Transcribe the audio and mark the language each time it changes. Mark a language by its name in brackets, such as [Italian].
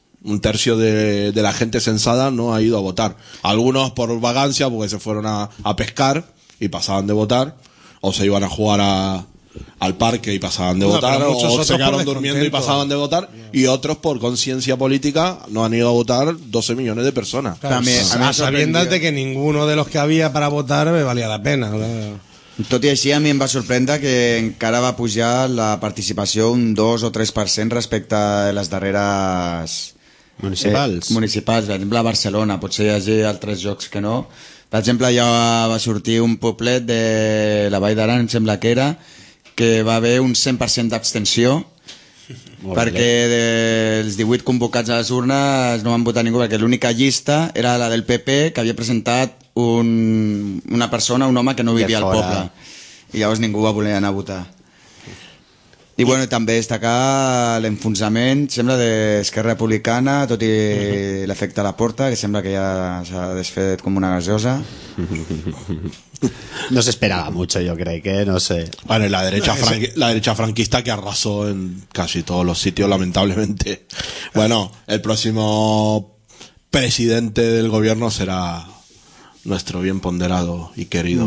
[Spanish] Un tercio de la gente censada no ha ido a votar. Algunos por vagancia, porque se fueron a pescar y pasaban de votar. O se iban a jugar al parque y pasaban de votar, o se quedaron durmiendo y pasaban de votar, y otros por conciencia política no han ido a votar 12 millones de personas. Claro, también, a sabiendas de que ninguno de los que había para votar me valía la pena. [Catalan] Tot i així, a mi em va sorprendre que encara va pujar la participació un 2 o 3% respecte a les darreres... Municipals. Municipals, la Barcelona, potser hi hagi altres llocs que no... Per exemple, ja va sortir un poblet de la Vall d'Aran, em sembla que era, que va haver un 100% d'abstenció, perquè dels 18 convocats a les urnes no van votar ningú, perquè l'única llista era la del PP, que havia presentat una persona, un home que no vivia al poble. I llavors ningú va voler anar a votar. I bueno, també destacar l'enfonsament, sembla, d'Esquerra Republicana, tot i l'efecte a la porta, que sembla que ja s'ha desfet com una gaseosa. [Spanish] No se esperaba mucho, yo creo que, no sé. Bueno, la derecha franquista que arrasó en casi todos los sitios, lamentablemente. Bueno, el próximo presidente del gobierno será nuestro bien ponderado y querido